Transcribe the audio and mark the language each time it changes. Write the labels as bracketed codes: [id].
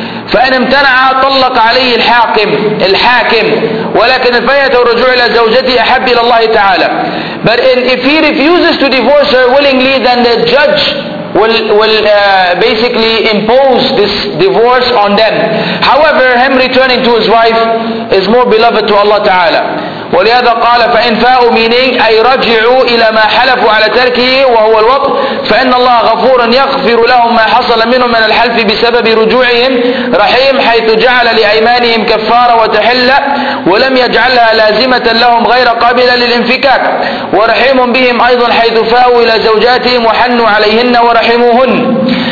[ar] فإن امتنع طلق عليه الحاكم الحاكم ولكن فيته الرجوع إلى زوجته أحب إلى الله تعالى. [en] But if he refuses to divorce her willingly, then the judge will basically impose this divorce on them. However, him returning to his wife is more beloved to Allah تعالى. [ar] ولهذا قال فإن فاءوا [en] meaning [ar] أي رجعوا إلى ما حلفوا على تركه وهو الوطء فإن الله غفور يغفر لهم ما حصل منهم من الحلف بسبب رجوعهم رحيم حيث جعل لأيمانهم كفارة وتحلة ولم يجعلها لازمة لهم غير قابلة للانفكاك ورحيم بهم أيضا حيث فاءوا إلى زوجاتهم وحنوا عليهن ورحموهن.